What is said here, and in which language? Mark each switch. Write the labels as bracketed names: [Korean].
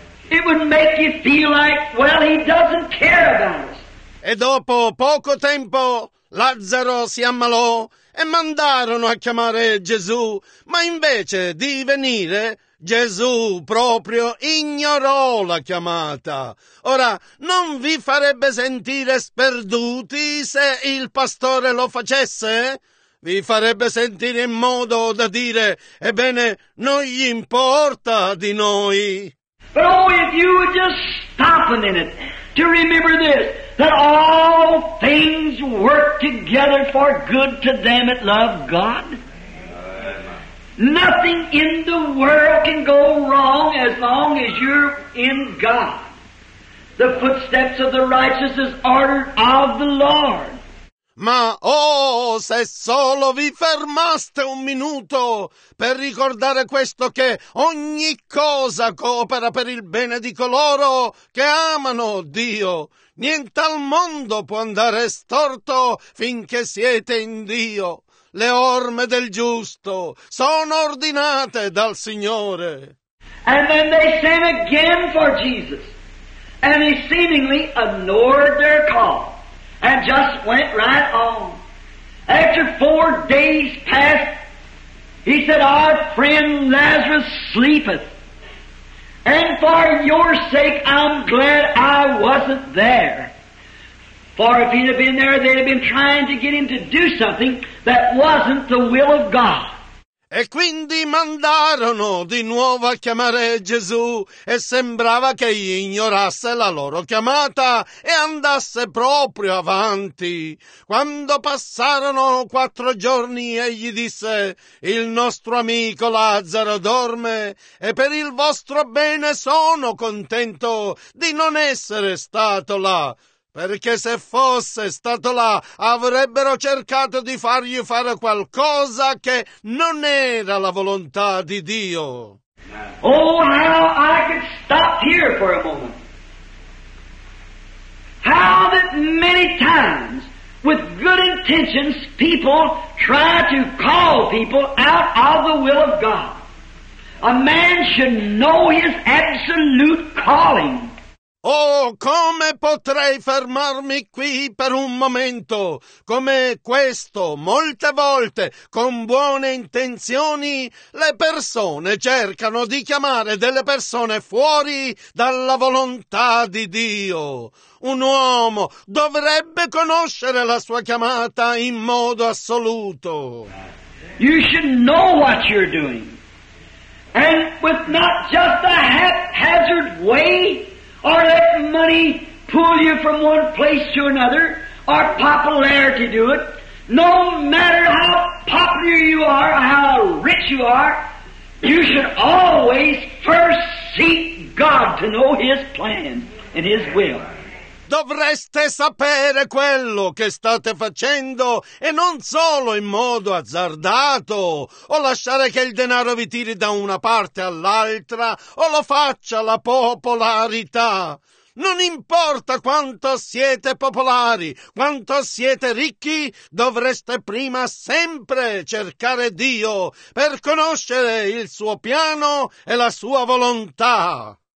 [English] It would make you feel like, well, he doesn't care about us. [Italian] E dopo poco tempo, Lazzaro si ammalò e mandarono a chiamare Gesù, ma invece di venire, Gesù proprio ignorò la chiamata. Ora, non vi farebbe sentire sperduti se il pastore lo facesse? Vi farebbe sentire in modo da dire, ebbene, non gli importa di noi. [English] But oh, if you would just stop a minute to remember this, that all things work together for good to them that love God. Nothing in the world can go wrong as long as you're in God. The footsteps of the righteous is ordered of the Lord. [Italian] Ma, oh, se solo vi fermaste un minuto per ricordare questo, che ogni cosa coopera per il bene di coloro che amano Dio. Niente al mondo può andare storto finché siete in Dio. Le orme del giusto sono ordinate dal Signore. [English] And then they sent again for Jesus, and he seemingly ignored their call. And just went right on. After 4 days passed, he said, our friend Lazarus sleepeth. And for your sake, I'm glad I wasn't there. For if he'd have been there, they'd have been trying to get him to do something that wasn't the will of God. [Italian] E quindi mandarono di nuovo a chiamare Gesù, e sembrava che gli ignorasse la loro chiamata e andasse proprio avanti. Quando passarono 4 giorni, egli disse, il nostro amico Lazzaro dorme, e per il vostro bene sono contento di non essere stato là, perché se fosse stato là, avrebbero cercato di fargli fare qualcosa che non era la volontà di Dio. [English] Oh, how I could stop here for a moment. How that many times, with good intentions, people try to call people out of the will of God. A man should know his absolute calling. [Italian] Oh, come potrei fermarmi qui per un momento, come questo, molte volte, con buone intenzioni, le persone cercano di chiamare delle persone fuori dalla volontà di Dio. Un uomo dovrebbe conoscere la sua chiamata in modo assoluto. [English] You should know what you're doing, and with not just a haphazard way, or let money pull you from one place to another, or popularity do it. No matter how popular you are, how rich you are, you should always first seek God to know His plan and His will. [Italian] Dovreste sapere quello che state facendo, e non solo in modo azzardato, o lasciare che il denaro vi tiri da una parte all'altra, o lo faccia la popolarità. Non importa quanto siete popolari, quanto siete ricchi, dovreste prima sempre cercare Dio per conoscere il suo piano e la sua volontà.